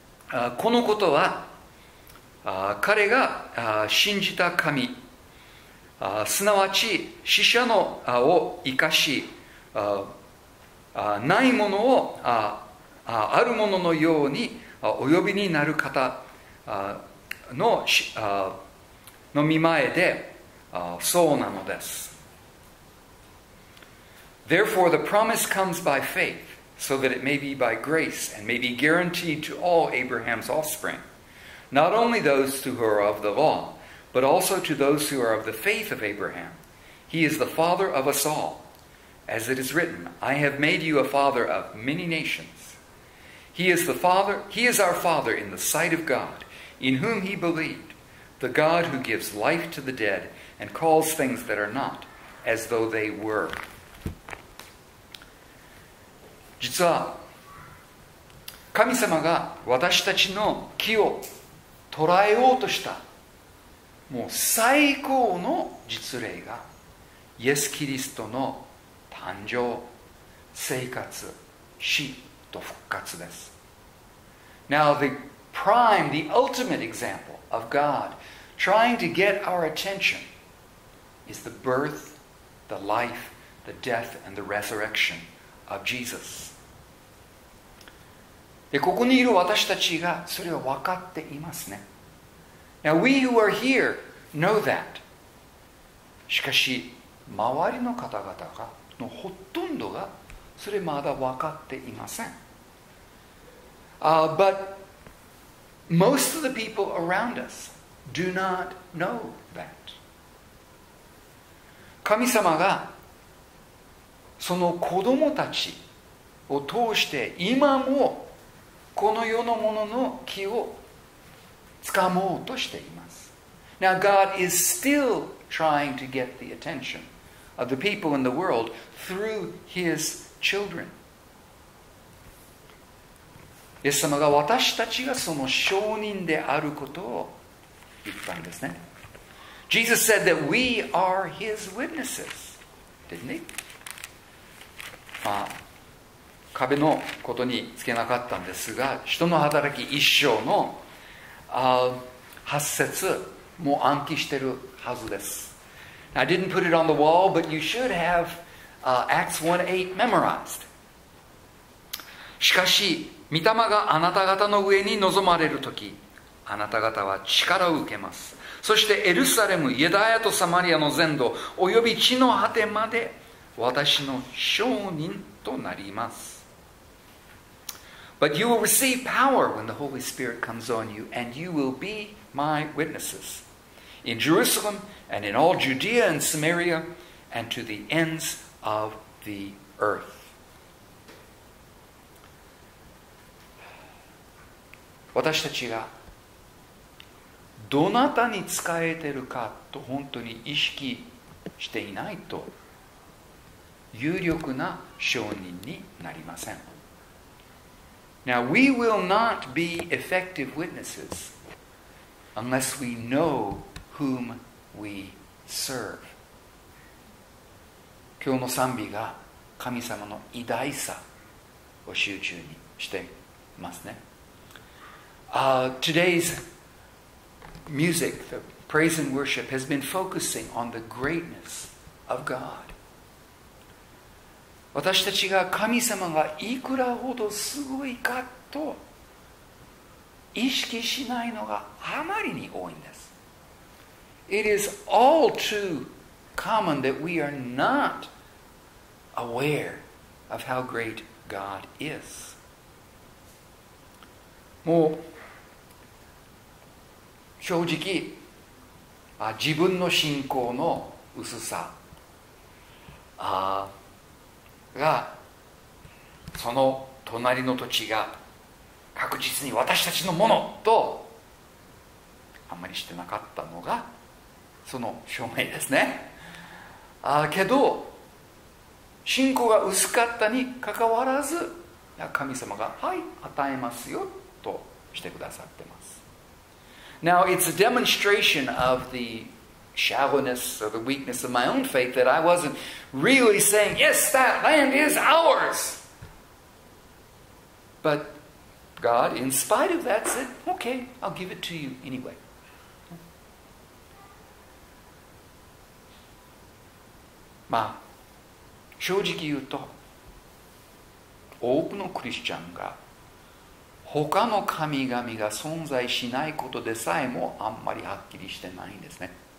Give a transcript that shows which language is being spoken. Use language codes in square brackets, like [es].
[ja] このことは彼が信じた神、すなわち死者のを生かし、ないものをあるもののようにお呼びになる方の見前でそうなのです。 [en] Therefore the promise comes by faith, so that it may be by grace and may be guaranteed to all Abraham's offspring, not only those who are of the law, but also to those who are of the faith of Abraham. He is the father of us allAs it is written, I have made you a father of many nations. He is our father in the sight of God, in whom he believed, the God who gives life to the dead and calls things that are not as though they were. [ja] 実は、神様が私たちの木を捉えようとした、もう最高の実例が、イエス・キリストの誕生、生活、死と復活です。 [en] Now, the prime, the ultimate example of God trying to get our attention is the birth, the life, the death, and the resurrection of Jesus. [ja] で、ここにいる私たちがそれを分かっていますね。 [en] Now, we who are here know that. [ja] しかし周りの方々がのほとんどがそれまだ分かっていません。 [en] But most of the people around us do not know that. [ja] 神様がその子供たちを通して今もこの世のものの気を掴もうとしています。 [en] Now God is still trying to get the attention of the people in the world through his children. [ja] イエス様が私たちがその証人であることを言ったんですね。 [en] Jesus said that we are his witnesses, didn't he? [ja] まあ、壁のことにつけなかったんですが、人の働き一章の8節も暗記してるはずです。 [en] I didn't put it on the wall, but you should have Acts 1:8 memorized. [ja] しかし、御霊があなた方の上に臨まれるとき、あなた方は力を受けます。そしてエルサレム、ユダヤとサマリアの全土、および地の果てまで私の証人となります。 [en] But you will receive power when the Holy Spirit comes on you, and you will be my witnesses. In Jerusalem, and in all Judea and Samaria, and to the ends of the earth. [ja] 私たちがどなたに仕えてるかと本当に意識していないと有力な証人になりません。 [en] Now, we will not be effective witnesses unless we know whom we serve. [ja] 今日の賛美が神様の偉大さを集中にしていますね。 [en] Today's music, the praise and worship, has been focusing on the greatness of God. [ja] 私たちが神様がいくらほどすごいかと意識しないのがあまりに多いんです。 [en] It is all too common that we are not aware of how great God is. [ja] もう正直、自分の信仰の薄さがその隣の土地が確実に私たちのものとあんまりしてなかったのがその証明ですね。けど信仰が薄かったにかかわらず神様がはい与えますよとしてくださってます。 [en] Now it's a demonstration of the shallowness or the weakness of my own faith that I wasn't really saying yes that land is ours, but God in spite of that said okay I'll give it to you anyway [ja] まあ、正直言うと多くのクリスチャンが他の神々が存在しないことでさえもあんまりはっきりしてないんですね。